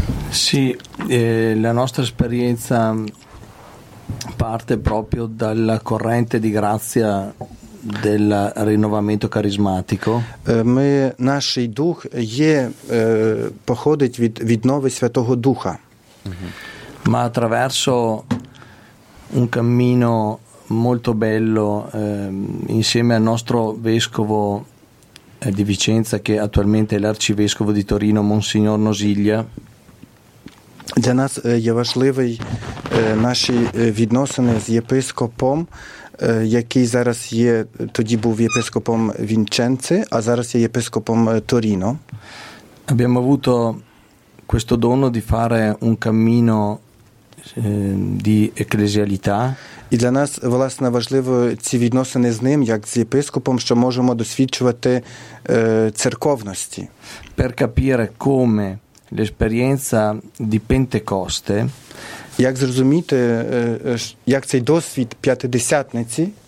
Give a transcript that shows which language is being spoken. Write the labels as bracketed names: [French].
[Italian] Sì, la nostra esperienza parte proprio dalla corrente di grazia del rinnovamento carismatico. [Ukrainian] Ми, наш дух є походить від віднови Святого Духа. [Italian] Ma attraverso un cammino molto bello insieme al nostro vescovo di Vicenza, che attualmente è l'arcivescovo di Torino, Monsignor Nosiglia. [Ukrainian] Для нас є важливий наші відносини з єпископом, який зараз є, тоді був єпископом Вінченци, а зараз є єпископом Торіно. [Italian] Abbiamo avuto questo dono di fare un cammino di ecclesialità. [Ukrainian] І для нас, власне, важливо ці відносини з ним, як з єпископом, що можемо досвідчувати церковності. [Italian] Per capire come l'esperienza di Pentecoste, [Ukrainian] як зрозуміти, як цей досвід п'ятидесятниці